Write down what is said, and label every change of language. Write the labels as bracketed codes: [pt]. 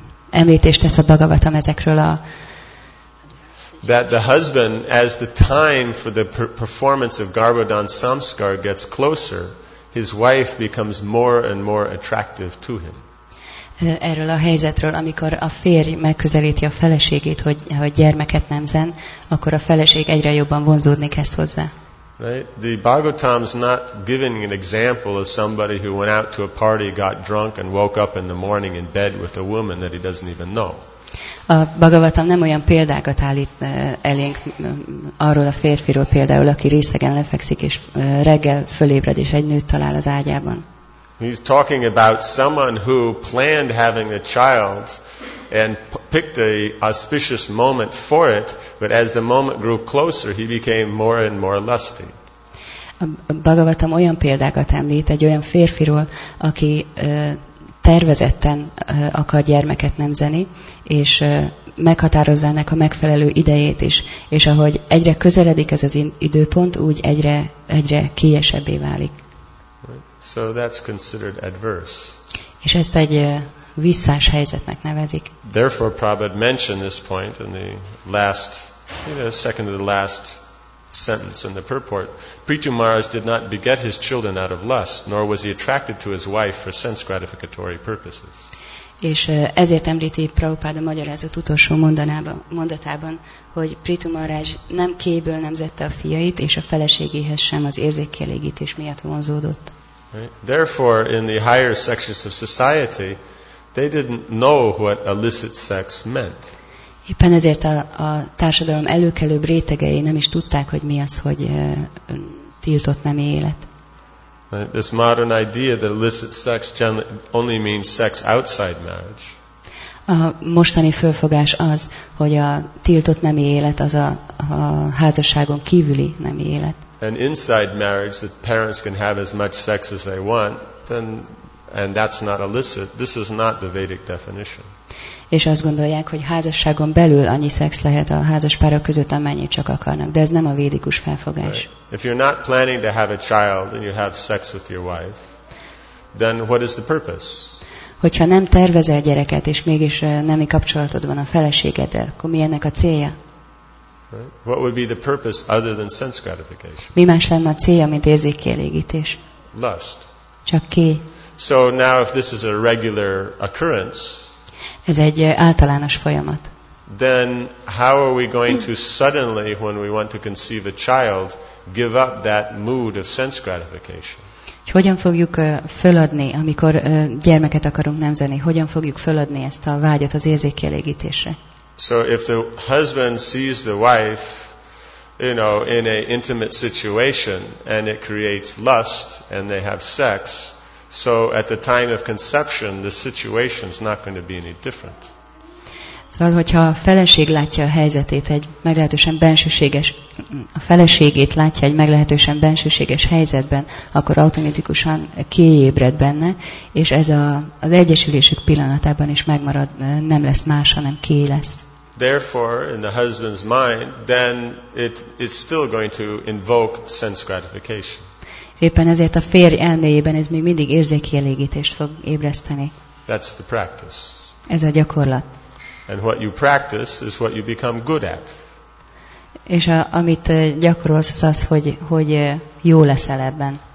[hu] Említést tesz a Bhagavatam ezekről a [en] that the husband, as the time for the performance of Garbhodan Samskar gets closer, his wife becomes more and more attractive to him. [hu] Erről a helyzetről, amikor a férj megközelíti a feleségét, hogy gyermeket nemzen, akkor a feleség egyre jobban vonzódni kezd hozzá. [en] Right? The Bhagavatam's not giving an example of somebody who went out to a party, got drunk, and woke up in the morning in bed with a woman that he doesn't even know. [hu] A Bhagavatam nem olyan példákat állít elénk arról a férfiról például, aki részegen lefekszik és reggel fölébred és egy nőt talál az ágyában. [en] He's talking about someone who planned having a child and picked a auspicious moment for it, but as the moment grew closer, he became more and more lusty. [hu] A Bhagavatam olyan példákat említ egy olyan férfiról, aki tervezetten akar gyermeket nemzeni, és meghatározza ennek a megfelelő idejét is, és ahogy egyre közeledik ez az időpont, úgy egyre kiesebbé válik. [en] So that's considered adverse. [hu] És ezt egy visszás helyzetnek nevezik. [en] Therefore, Prabhupada mentioned this point in the last, second to the last sentence in the purport. Prithu Maharaj did not beget his children out of lust, nor was he attracted to his wife for sense gratificatory purposes. [hu] És ezért említi Prabhupada magyarázat utolsó mondatában, hogy Prithu Maharaj nem kéből nemzette a fiait, és a feleségéhez sem az érzékkielégítés miatt vonzódott. [en] Right. Therefore, in the higher sections of society, they didn't know what illicit sex meant. [hu] Éppen ezért a társadalom előkelőbb rétegei nem is tudták, hogy mi az, hogy tiltott nemi élet. [en] Right. This modern idea that illicit sex only means sex outside marriage. [hu] A mostani fölfogás az, hogy a tiltott nemi élet az a házasságon kívüli nemi élet. [en] And inside marriage, that parents can have as much sex as they want, and that's not illicit. This is not the Vedic definition. [hu] És azt gondolják, hogy házasságon belül annyi szex lehet a házaspárok között, amennyit csak akarnak. De ez nem a védikus felfogás. [en] Right. If you're not planning to have a child and you have sex with your wife, then what is the purpose? [hu] Hogyha nem tervezel gyereket, és mégis nemi kapcsolatod van a feleségeddel, akkor mi ennek a célja? [en] Right. What would be the purpose other than sense gratification? [hu] Mi más lenne a célja, mint érzékkielégítés? [en] Lust. [hu] Csak kéj. [en] So now if this is a regular occurrence, [hu] ez egy általános folyamat. [en] Then how are we going to suddenly, when we want to conceive a child, give up that mood of sense gratification? [hu] Hogyan fogjuk föladni, amikor gyermeket akarunk nemzeni? Hogyan fogjuk föladni ezt a vágyat az érzékkielégítésre? [en] So if the husband sees the wife, in a intimate situation and it creates lust and they have sex, so at the time of conception the situation is not going to be any different. [hu] Szóval, hogyha a feleség látja a helyzetét egy meglehetősen bensőséges, a feleségét látja egy meglehetősen bensőséges helyzetben, akkor automatikusan kiébred benne, és ez az egyesülésük pillanatában is megmarad, nem lesz más, hanem ki lesz. [en] Therefore, in the husband's mind, then it's still going to invoke sense gratification. [hu] Éppen ezért a férj elméjében ez még mindig érzékielégítést fog ébreszteni. [en] That's the practice. [hu] Ez a gyakorlat. [en] And what you practice is what you become good at. [hu] És amit gyakorolsz, az az, hogy jó leszel ebben.